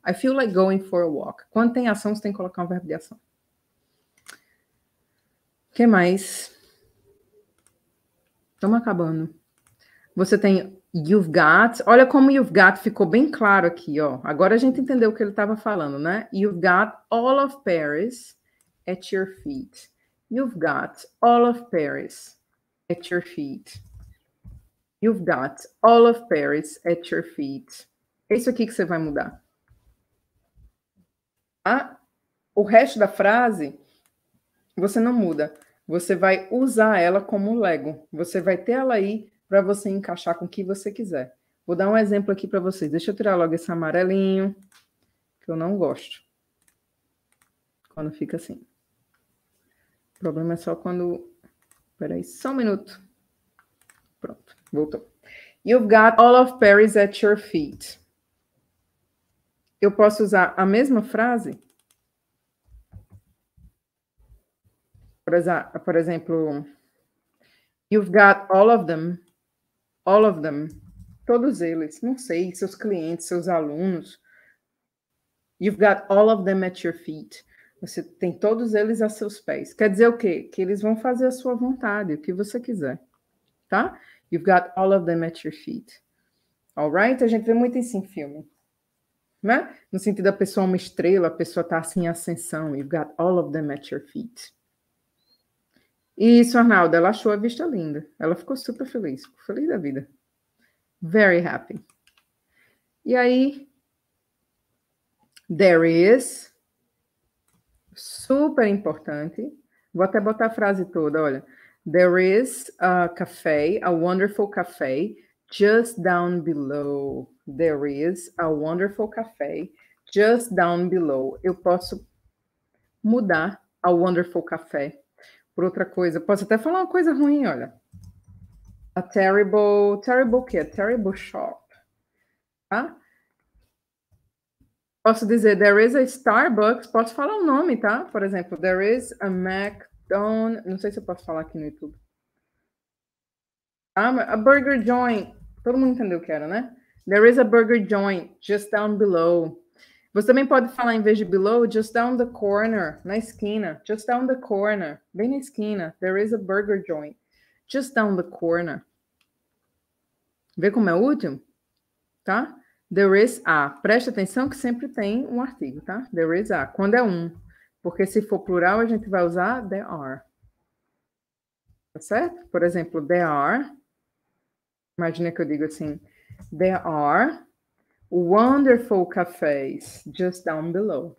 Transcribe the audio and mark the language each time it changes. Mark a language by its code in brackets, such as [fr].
[en] I feel like going for a walk. [pt] Quando tem ação, você tem que colocar um verbo de ação. Que mais? Estamos acabando. Você tem you've got. Olha como you've got ficou bem claro aqui, ó. Agora a gente entendeu o que ele estava falando, né? [en] You've got all of Paris at your feet. You've got all of Paris at your feet. You've got all of Paris at your feet. [pt] É isso aqui que você vai mudar. O resto da frase, você não muda. Você vai usar ela como Lego. Você vai ter ela aí para você encaixar com o que você quiser. Vou dar um exemplo aqui para vocês. Deixa eu tirar logo esse amarelinho, que eu não gosto. Quando fica assim. O problema é só quando... Espera aí, só um minuto. Pronto, voltou. [en] You've got all of Paris at your feet. [pt] Eu posso usar a mesma frase? Por exemplo, [en] you've got all of them, [pt] todos eles, não sei, seus clientes, seus alunos. [en] You've got all of them at your feet. [pt] Você tem todos eles a seus pés. Quer dizer o quê? Que eles vão fazer a sua vontade, o que você quiser, tá? [en] You've got all of them at your feet. All right? [pt] A gente vê muito isso em filme, né? No sentido da pessoa uma estrela, a pessoa tá assim em ascensão. [en] You've got all of them at your feet. [pt] Isso, Arnaldo, ela achou a vista linda. Ela ficou super feliz. Feliz da vida. [en] Very happy. [pt] E aí, there is, super importante. Vou até botar a frase toda, olha. [en] There is a cafe, a wonderful cafe, just down below. There is a wonderful cafe, just down below. [pt] Eu posso mudar a wonderful cafe por outra coisa. Posso até falar uma coisa ruim, olha. A terrible, terrible o quê? [en] A terrible shop. [pt] Tá? Posso dizer, [en] there is a Starbucks. [pt] Posso falar o nome, tá? Por exemplo, [en] there is a McDonald's. [pt] Não sei se eu posso falar aqui no YouTube. [en] A burger joint. [pt] Todo mundo entendeu o que era, né? [en] There is a burger joint just down below. [pt] Você também pode falar, em vez de [en] below, just down the corner, [pt] na esquina. [en] Just down the corner, [pt] bem na esquina. [en] There is a burger joint, just down the corner. [pt] Vê como é útil, tá? [en] There is a. [pt] Preste atenção que sempre tem um artigo, tá? There is a. Quando é um. Porque se for plural, a gente vai usar there are. Tá certo? Por exemplo, there are. Imagina que eu digo assim. [en] There are wonderful cafes just down below.